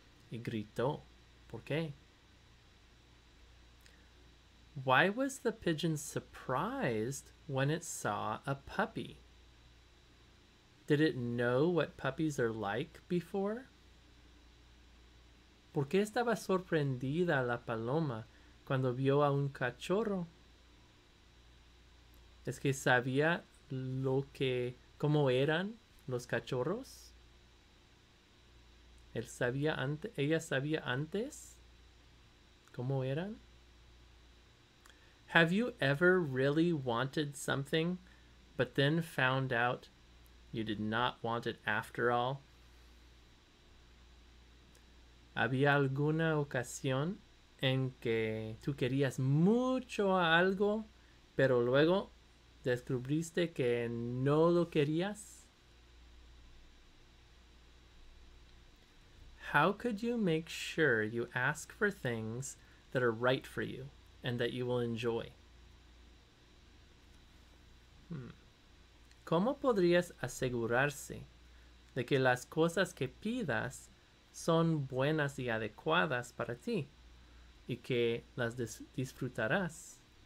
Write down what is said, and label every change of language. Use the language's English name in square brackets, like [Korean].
[Spanish] Y gritó. ¿Por qué? [English] Why was the pigeon surprised when it saw a puppy? Did it know what puppies are like before? [Spanish] ¿Por qué estaba sorprendida la paloma cuando vio a un cachorro? ¿Es que sabía lo que, cómo eran los cachorros? ¿Ella sabía antes cómo eran? [English] Have you ever really wanted something, but then found out you did not want it after all? [Spanish] ¿Había alguna ocasión en que tú querías mucho a algo, pero luego descubriste que no lo querías? [English] How could you make sure you ask for things that are right for you and that you will enjoy? [Spanish] ¿Cómo podrías asegurarse de que las cosas que pidas son buenas y adecuadas para ti y que las disfrutarás?